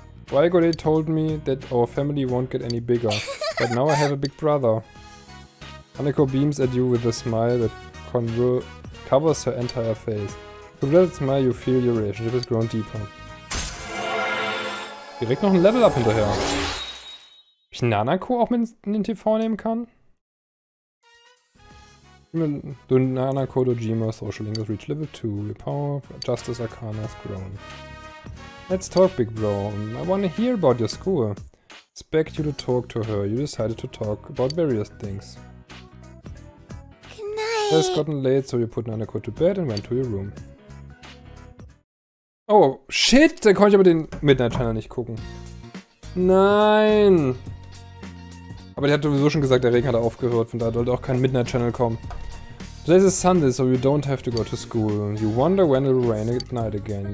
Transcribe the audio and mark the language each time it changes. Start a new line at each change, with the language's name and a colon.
English: Why God told me that our family won't get any bigger. But now I have a big brother. Hanako beams at you with a smile that covers her entire face. With that smile you feel your relationship has grown deeper.
German: Direkt noch ein Level up hinterher. Ob ich Nanako auch mit in den TV nehmen kann?
English: Du Nanako Dojima, Social Link has reached Level 2. Your power of Justice Arcana has grown. Let's talk, big bro. I wanna hear about your school. Expect you to talk to her. You decided to talk about various things. Good night. It's gotten late, so you put Nanako to bed and went to your room. Oh, shit!
German: Dann konnte ich aber den Midnight Channel nicht gucken. Nein! Aber der hat sowieso schon gesagt, der Regen hat aufgehört, von daher sollte auch kein Midnight Channel kommen.
English: Today's is Sunday, so you don't have to go to school. You wonder when it'll rain at night again.